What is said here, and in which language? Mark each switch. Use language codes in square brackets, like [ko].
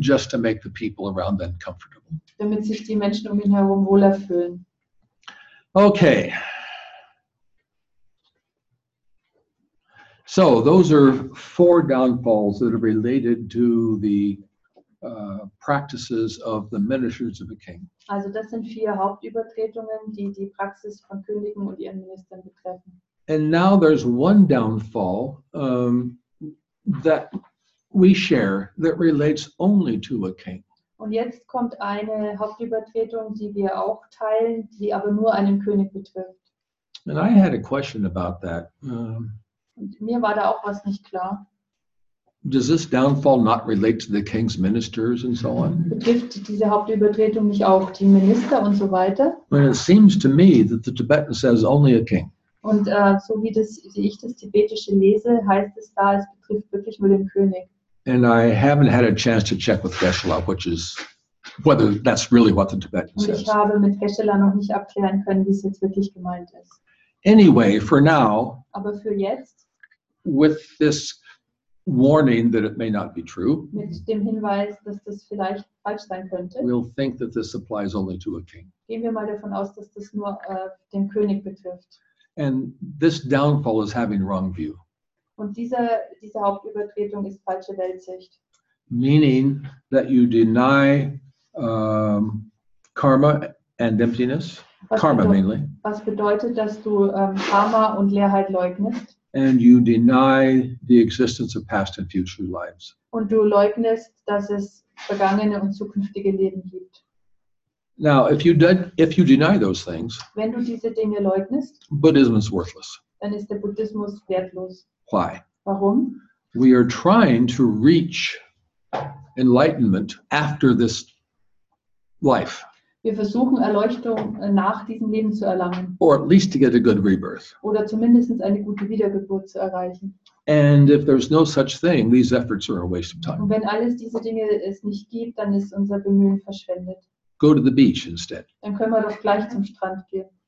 [en] Just to make the people around them comfortable. [de] Damit sich die Menschen ihn herum wohler fühlen. [en] Okay. So, those are four downfalls that are related to the practices of the ministers of the king. [de] Also, das sind vier Hauptübertretungen, die Praxis von Königen und ihren Ministern betreffen. [en] And now there's one downfall that we share that relates only to a king. [de] Und jetzt kommt eine Hauptübertretung, die wir auch teilen, die aber nur einen König betrifft. [en] And I had a question about that. [de] Mir war da auch was nicht klar. [en] Does this downfall not relate to the king's ministers and so on? [de] Betrifft diese Hauptübertretung nicht auch die Minister und so weiter? [en] Well, it seems to me that the Tibetan says only a king. [de] Und wie ich das Tibetische lese, heißt es da, es betrifft wirklich nur den König. [en] And I haven't had a chance to check with Geshe-la, which is whether that's really what the Tibetan says. [de] Und ich habe mit Geshe-la noch nicht abklären können, wie es jetzt wirklich gemeint ist. [en] Anyway, for now, [de] aber für jetzt, [en] with this warning that it may not be true, [de] mit dem Hinweis, dass das vielleicht falsch sein könnte, [en] we'll think that this applies only to a king. [de] Gehen wir mal davon aus, dass das nur den König betrifft. [en] And this downfall is having wrong view. [de] Und diese Hauptübertretung ist falsche Weltsicht. [en] Meaning that you deny karma and emptiness. Karma mainly. [de] Was bedeutet, dass du Karma und Leerheit leugnest? [en] And you deny the existence of past and future lives. [de] Und du leugnest, dass es vergangene und zukünftige Leben gibt. [en] Now, if you deny those things, [de] wenn du diese Dinge leugnest, [en] Buddhism is worthless. [de] Dann ist der Buddhismus wertlos. [en] Why? [de] Warum? [en] We are trying to reach enlightenment after this life. [de] Wir versuchen, Erleuchtung nach diesem Leben zu erlangen. [en] Or at least to get a good rebirth. [de] Oder zumindest eine gute Wiedergeburt zu erreichen. [en] And if there's no such thing, these efforts are a waste of time. [de] Und wenn alles diese Dinge es nicht gibt, dann ist unser Bemühen verschwendet. [en] Go to the beach instead. [de] Dann können wir doch gleich zum Strand gehen.